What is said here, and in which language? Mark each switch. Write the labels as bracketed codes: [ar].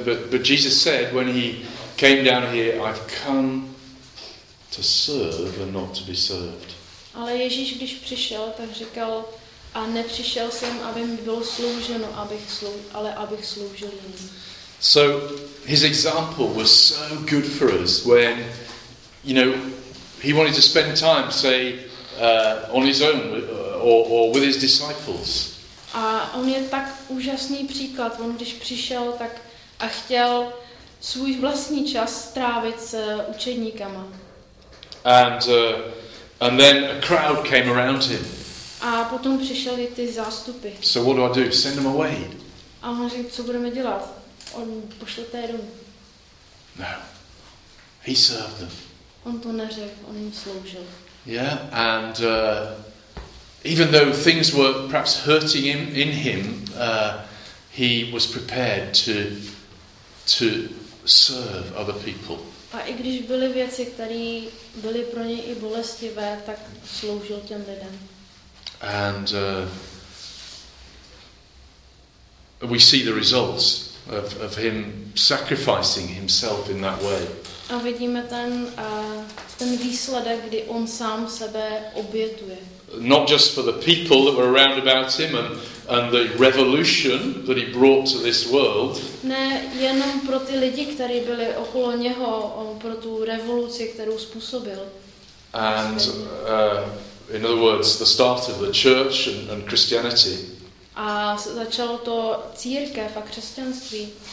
[en] But Jesus said when he came down here, I've come to serve and not to be served. [cs] Ale Ježíš, když přišel, tak říkal, a nepřišel jsem, aby mi bylo slouženo, abych sloužil jiným. [en] So his example was so good for us when, you know, he wanted to spend time, say, on his own or with his disciples. [cs] A on je tak úžasný příklad. On když přišel, tak a chtěl svůj vlastní čas strávit s učedníkama. [en] And then a crowd came around him. [cs] A potom přišly ty zástupy. [en] So what do I do? Send them away. [cs] A on říká, co budeme dělat? On pošle té domů. [en] No. He served them. [cs] On to neřekl, on jim sloužil. [en] Yeah, and even though things were perhaps hurting him in him, he was prepared to serve other people. [cs] A i když byly věci, které byly pro něj i bolestivé, tak sloužil těm lidem. [en] And we see the results of him sacrificing himself in that way. [cs] A vidíme ten výsledek, kdy on sám sebe obětuje. [en] Not just for the people that were around about him and the revolution that he brought to this world. [cs] Ne jenom pro ty lidi, kteří byli okolo něho, pro tu revoluci, kterou způsobil. [en] And in other words, the start of the church and Christianity. [cs] A začalo to církev a křesťanství.